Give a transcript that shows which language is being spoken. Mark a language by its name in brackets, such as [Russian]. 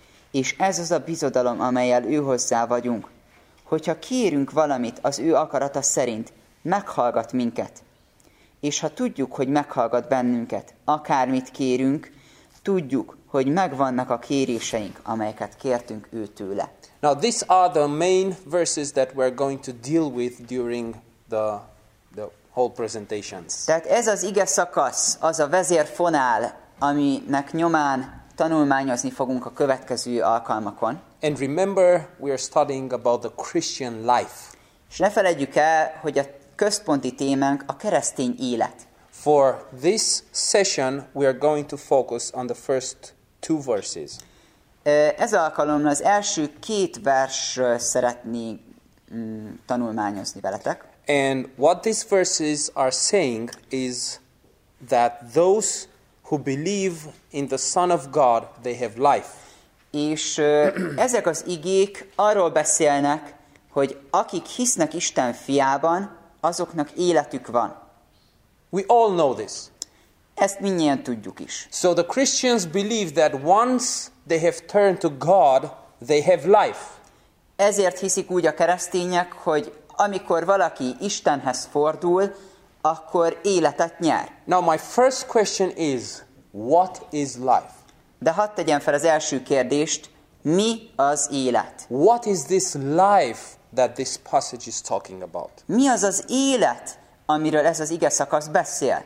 [Hungarian] És ez az a bizodalom, amellyel őhozzá vagyunk, hogyha kérünk valamit az ő akarata szerint, meghallgat minket. És ha tudjuk, hogy meghallgat bennünket, akármit kérünk, tudjuk, hogy megvannak a kéréseink, amelyeket kértünk ő tőle. [English] Now these are the main verses that we're going to deal with during the whole presentations. [Hungarian] Tehát ez az ige szakasz, az a vezérfonál, aminek nyomán tanulmányozni fogunk a következő alkalmakon. [English] And remember, we are studying about the Christian life. [Hungarian] És ne feledjük el, hogy a központi témánk a keresztény élet. [English] For this session, we are going to focus on the first two verses. [Hungarian] Ez alkalommal az első két versről szeretnék tanulmányozni veletek. [English] And what these verses are saying is that those who believe in the Son of God, they have life. [Hungarian] És ezek az igék arról beszélnek, hogy akik hisznek Isten fiában, azoknak életük van. [English] We all know this. [Hungarian] Ezt mindnyien tudjuk is. [English] So the Christians believe that once they have turned to God, they have life. [Hungarian] Ezért hiszik úgy a keresztények, hogy amikor valaki Istenhez fordul, akkor életet nyer. [English] Now my first question is, what is life? [Hungarian] De hadd tegyem fel az első kérdést, mi az élet? [English] What is this life that this passage is talking about? [Hungarian] Mi az az élet, amiről ez az ige szakasz beszél?